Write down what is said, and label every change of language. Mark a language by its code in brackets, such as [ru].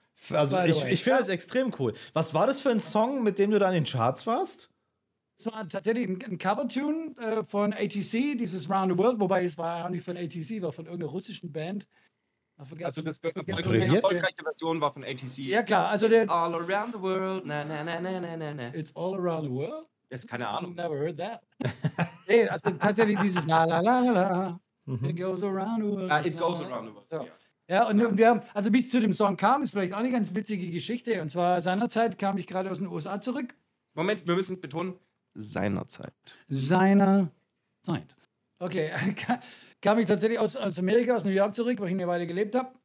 [de] Also ich finde das extrem cool. Was war das für ein Song, mit dem du da in den Charts warst? Es war tatsächlich ein Cover-Tune von ATC, dieses Round the World, wobei es war auch nicht von ATC, war von irgendeiner russischen Band. Also das die erfolgreiche Version war von ATC. Ja klar, also [en] it's all around the world, it's all around the world? [de] Jetzt keine Ahnung. [en] Never heard that. [de] Nee, also tatsächlich dieses [en] la la la la, it goes around the world. It goes around the world, so. Yeah. [de] Ja, und wir haben, also bis zu dem Song kam, ist vielleicht auch eine ganz witzige Geschichte. Und zwar seinerzeit kam ich gerade aus den USA zurück. Moment, wir müssen betonen, seinerzeit. Seinerzeit. Okay, kam ich tatsächlich aus Amerika, aus New York zurück, wo ich eine Weile gelebt habe.